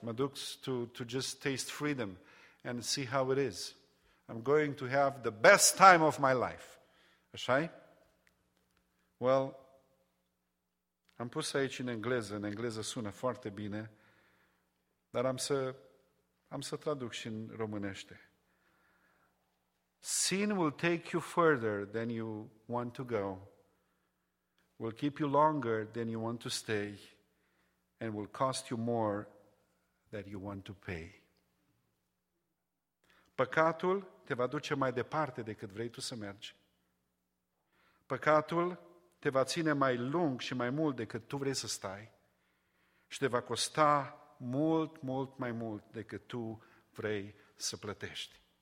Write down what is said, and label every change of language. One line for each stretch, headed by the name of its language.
Romanian: Mă duc
English: to just taste freedom and see how it is. I'm going to have the best time of my life.
Romanian: Așa-i? Well, am pus aici în engleză. În engleză sună foarte bine, dar am să traduc și în românește.
English: Sin will take you further than you want to go, will keep you longer than you want to stay, and will cost you more than you want to pay.
Romanian: Păcatul te va duce mai departe decât vrei tu să mergi. Păcatul te va ține mai lung și mai mult decât tu vrei să stai și te va costa mult, mult mai mult decât tu vrei să plătești.